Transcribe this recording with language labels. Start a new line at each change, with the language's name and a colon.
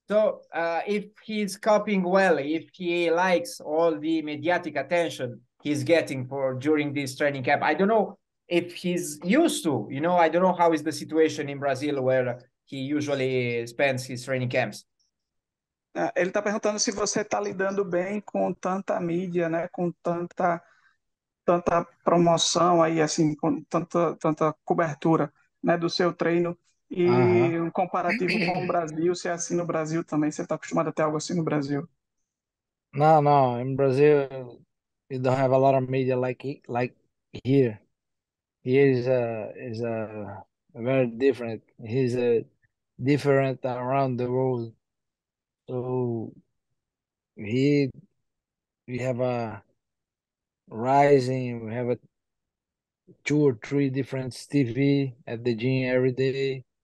English: So, if he's coping well, if he likes all the mediatic attention he's getting for during this training camp, I don't know if he's used to, you know, I don't know how is the situation in Brazil where he usually spends his training camps.
Portuguese: Ele está perguntando se você está lidando bem com tanta mídia, né? Com tanta promoção aí, assim, com tanta cobertura, né? Do seu treino e um comparativo com o Brasil, se é assim no Brasil também, você está acostumado a ter algo assim no Brasil?
English: Não, in Brazil, you don't have a lot of media like here. He is a very different. He's a different around the world. So we have a rising, we have a two or three different TV at the gym every day.